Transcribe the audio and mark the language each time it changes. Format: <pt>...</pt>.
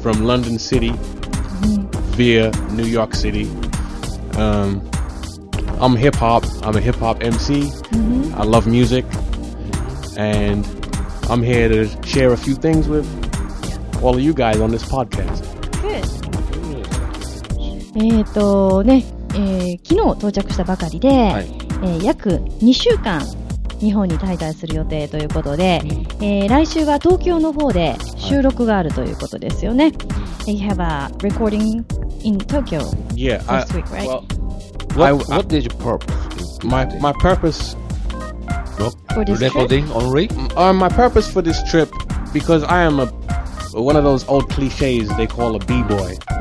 <en>From London City via New York City. I'm hip hop. I'm a hip hop MC. I love music. And I'm here to share a few things withall of you guys on this podcast. Good.</en> <ja>昨日到着したばかりで、はい、約2週間日本に滞在する予定ということで、来週は東京の方で収録があるということですよね。はい、</ja> <en>you have a recording in Tokyo this week, right? What is your purpose? My purpose for this recording only? My purpose for this trip, because I am aOne of those old cliches they call a b-boy.</en>